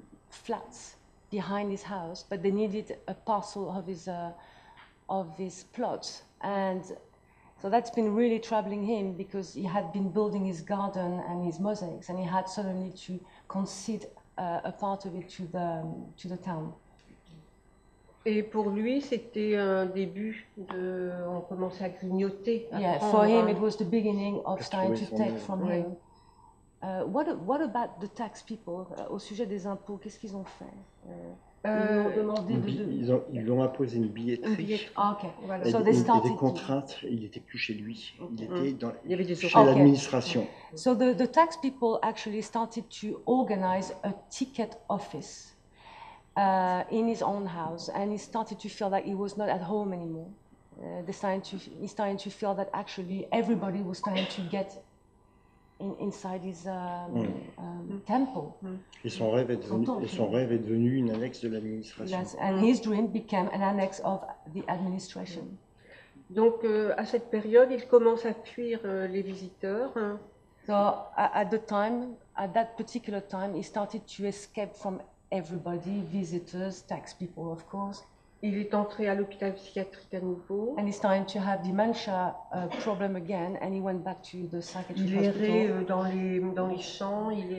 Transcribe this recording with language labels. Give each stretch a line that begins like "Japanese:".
English: flats behind his house, but they needed a parcel of his of this plot, and so that's been really troubling him because he had been building his garden and his mosaics, and he had suddenly to concede a part of it to the town.
French: Et pour lui, c'était un début de. On commençait à grignoter.
English: Yeah, for him, it was the beginning of starting to take from him. What about the tax people?
French: Au sujet des impôts, qu'est-ce qu'ils ont fait? Ils lui ont imposé une billetterie.
English: Okay.
French: Voilà. Et,
English: so
French: il y avait des contraintes. Il n'était plus chez lui. Il était dans il y avait des chez
English: okay.
French: l'administration.
English: So the tax people actually started to organize a ticket office in his own house, and he started to feel that he was not at home anymore. He started to feel that actually everybody was starting to get inside his temple.
French: Et son rêve est devenu une annexe de l'administration.
English: Yes, and his dream became an annex of the administration.
French: Donc, à cette période, il commence à fuir les visiteurs.
English: So, at that particular time, he started to escape from everybody, visitors, tax people, of course.
French: Il est entré à l'hôpital psychiatrique à nouveau.
English: And he started to have dementia problem again, and he went back to the psychiatric hospital.
French: Il errait dans les champs.